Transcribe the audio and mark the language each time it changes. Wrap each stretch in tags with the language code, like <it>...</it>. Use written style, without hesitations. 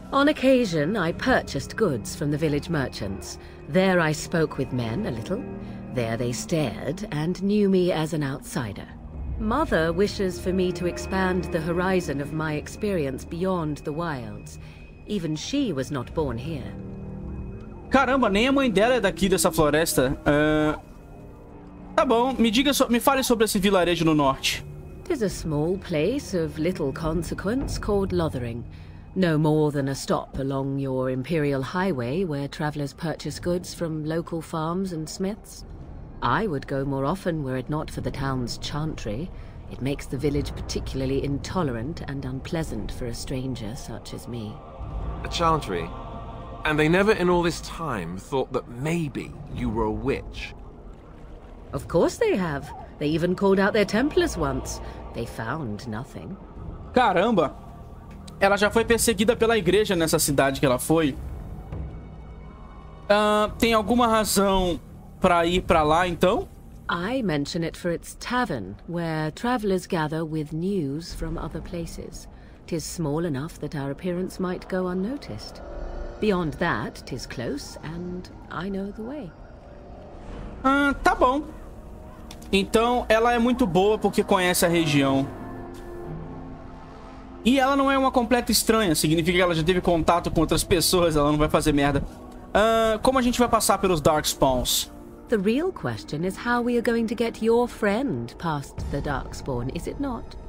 <en>On occasion, I purchased goods from the village merchants. There I spoke with men a little. There they stared and knew me as an outsider. Mother wishes for me to expand the horizon of my experience beyond the wilds. Even she was not born here.</en> <pt>Caramba, nem a mãe dela é daqui dessa floresta. Tá bom, me fale sobre esse vilarejo no norte.</pt> <en>It is a small place of little consequence called Lothering. No more than a stop along your imperial highway where travelers purchase goods from local farms and smiths. I would go more often were it not for the town's chantry. It makes the village particularly intolerant and unpleasant for a stranger such as me. A chantry? And they never in all this time thought that maybe you were a witch. Of course they have. They even called out their Templars once. They found nothing.</en> <pt>Caramba! Ela já foi perseguida pela igreja nessa cidade que ela foi. Tem alguma razão pra ir pra lá, então?</pt> <en>I mention it for its tavern, where travelers gather with news from other places. 'Tis small enough that our appearance might go unnoticed. Beyond that, 'tis close, and I know the way.</en> <pt>Tá bom. Então, ela é muito boa porque conhece a região. E ela não é uma completa estranha. Significa que ela já teve contato com outras pessoas. Ela não vai fazer merda. Como a gente vai passar pelos Darkspawns?</pt> <en>The real question is how we are going to get your friend past the Darkspawn, is it not?</en>